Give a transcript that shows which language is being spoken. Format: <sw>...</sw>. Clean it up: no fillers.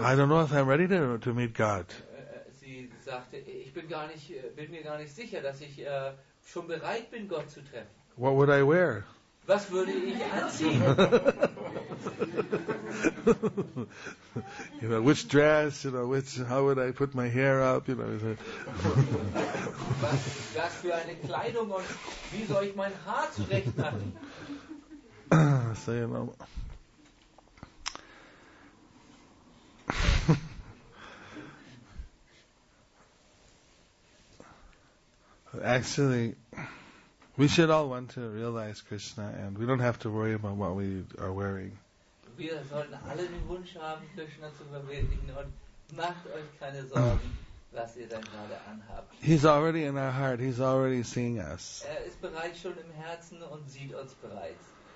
<en>I don't know if I'm ready to meet God.</en> <de>Sie sagte, ich bin mir gar nicht sicher, dass ich schon bereit bin, Gott zu treffen.</de> <en>What would I wear?</en> <de>Was würde ich anziehen?</de> <en>You know, which dress, you know, which, how would I put my hair up, you know.</en> <de>Was für eine Kleidung und wie soll ich mein Haar zurechtmachen?</de> <en>So, you know. Actually, we should all want to realize Krishna, and we don't have to worry about what we are wearing.</en> <de>Wir sollten alle den Wunsch haben, Krishna zu verwirklichen, und macht euch keine Sorgen, was ihr dann gerade anhabt.</de> <en>He's already in our heart. He's already seeing us.</en> <de>Er ist bereits schon im Herzen und sieht uns bereits.</de>